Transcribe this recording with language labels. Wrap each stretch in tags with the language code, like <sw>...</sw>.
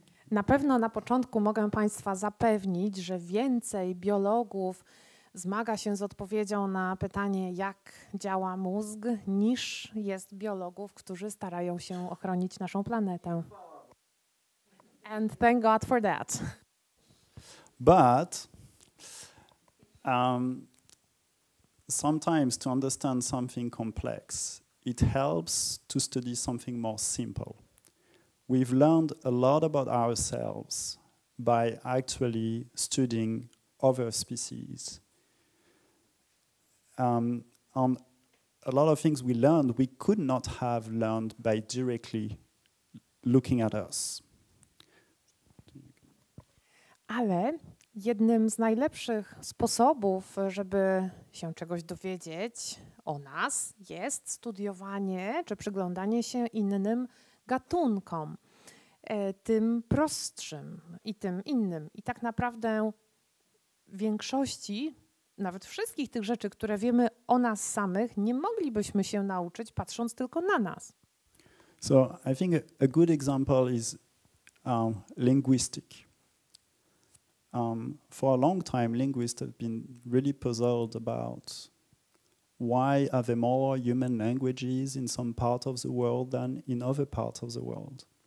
<pl>Na pewno na początku mogę Państwa zapewnić, że więcej biologów zmaga się z odpowiedzią na pytanie, jak działa mózg, niż jest biologów, którzy starają się ochronić naszą planetę.</pl> <en>And thank God for that. But sometimes to understand something complex, it helps to study something more simple. We've learned a lot about ourselves by actually studying other species. On a lot of things we learned, we could not have learned by directly looking at us.</en> <pl>Ale jednym z najlepszych sposobów, żeby się czegoś dowiedzieć o nas, jest studiowanie czy przyglądanie się innym gatunkom, tym prostszym i tym innym. I tak naprawdę większości, nawet wszystkich tych rzeczy, które wiemy o nas samych, nie moglibyśmy się nauczyć, patrząc tylko na nas.</pl> <en>So I think a good example is linguistic. For a long time, linguists have been really puzzled about why are there more human languages in some part of the world than in other parts of the world.</en>